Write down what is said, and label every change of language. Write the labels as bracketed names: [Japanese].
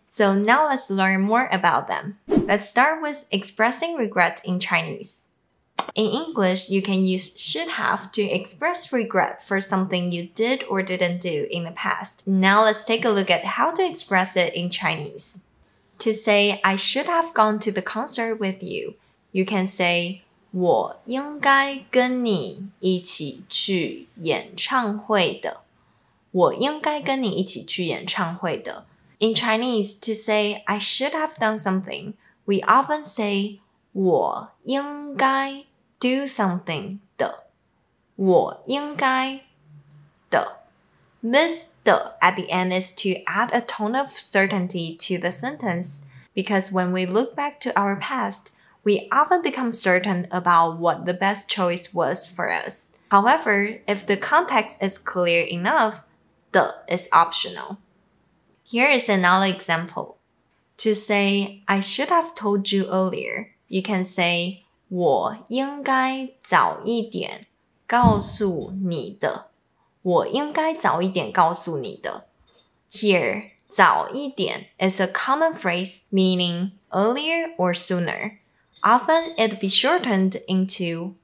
[English] So now let's learn more about them. Let's start with expressing regret in Chinese. In English, you can use should have to express regret for something you did or didn't do in the past. Now let's take a look at how to express it in Chinese. To say, I should have gone to the concert with you, you can say, [Chinese] 我应该跟你一起去演唱会的。我应该跟你一起去演唱会的。 [English] In Chinese, to say I should have done something, we often say [Chinese] 我应该 [English] do something [Chinese] 的。我应该的。 [English] This 的 at the end is to add a tone of certainty to the sentence, because when we look back to our past, we often become certain about what the best choice was for us. However, if the context is clear enough,The is optional. Here is another example. To say, I should have told you earlier, you can say, [Chinese] 我应该早一点告诉你的。我应该早一点告诉你的。 [English] Here, [Chinese] 早一点 [English] is a common phrase meaning earlier or sooner. Often it'd be shortened into